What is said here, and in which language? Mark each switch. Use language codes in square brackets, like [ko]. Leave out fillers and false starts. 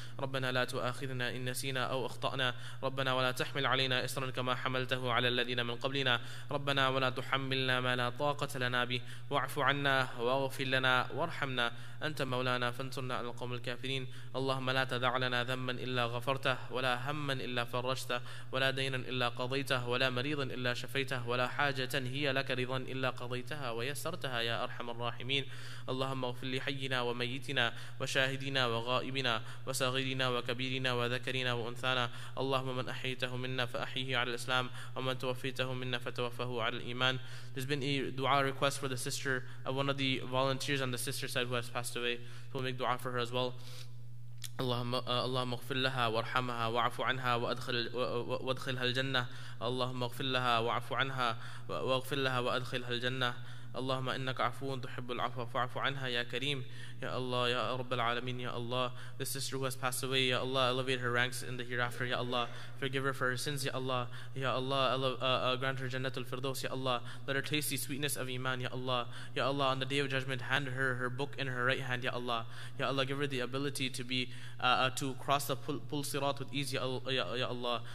[ar] ربنا لا تؤاخذنا إن نسينا أو أخطأنا ربنا ولا تحمل علينا إصرا كما حملته على الذين من قبلنا ربنا ولا تحملنا ما لا طاقة لنا به واعف عنا واغفر لنا وارحمنا أنت مولانا فانصرنا على القوم الكافرين اللهم لا تدع لنا ذنبا إلا غفرته ولا هما إلا فرجته ولا دينا إلا قضيته ولا مريضا إلا شفيته ولا حاجة هي لك رضا إلا قضيتها ويسرتها يا أرحم الراحمين اللهم اغفر لحينا وميتنا وشاهدنا وغائبنا وصغيرنا وكبيرنا وذكرنا وأنثانا اللهم من أحييته منا فأحيه على الإسلام ومن توفيته منا فتوفه على الإيمان. [en] There's been a dua request for the sister of one of the volunteers on the sister side who has passed away. We'll make dua for her as well. [ar] اللهم اغفر لها وارحمها واعف عنها وادخلها الجنة اللهم اغفر لها واعف عنها واغفر لها وادخلها الجنة اللهم إنك عفو تحب العفو فاعف عنها يا كريم يا الله يا رب العالمين يا الله. [en] The sister who has passed away, [ar] يا الله, [en] elevate her ranks in the hereafter, يا الله. Forgive her for her sins, [ar] يا الله, [en] grant her [ar] جنة الفردوس, [en] يا الله. Let her taste the sweetness of إيمان, [ar] يا الله. [en] يا الله, on the Day of Judgment, hand her her book in her right hand, يا الله. [ar] يا الله, [en] give her the ability to be to cross the pull sirat with ease, يا الله.